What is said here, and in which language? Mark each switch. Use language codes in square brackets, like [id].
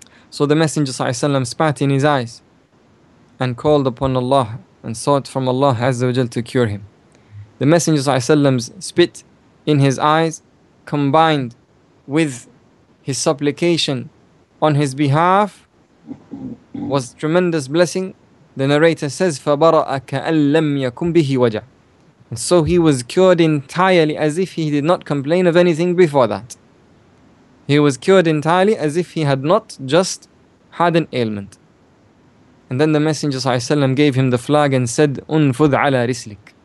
[en] So the Messenger sallallahu alayhi wa sallam spat in his eyes and called upon Allah and sought from Allah azza wa jal to cure him. The Messenger sallallahu alayhi wa sallam's spit in his eyes combined with his supplication on his behalf was tremendous blessing. The narrator says, [ar] فَبَرَأَ كَأَن لَمْ يَكُمْ بِهِ وَجَعْ. [en] And so he was cured entirely as if he did not complain of anything before that. He was cured entirely as if he had not just had an ailment. And then the Messenger ﷺ gave him the flag and said, [ar] أُنْفُذْ عَلَى رِسْلِكَ.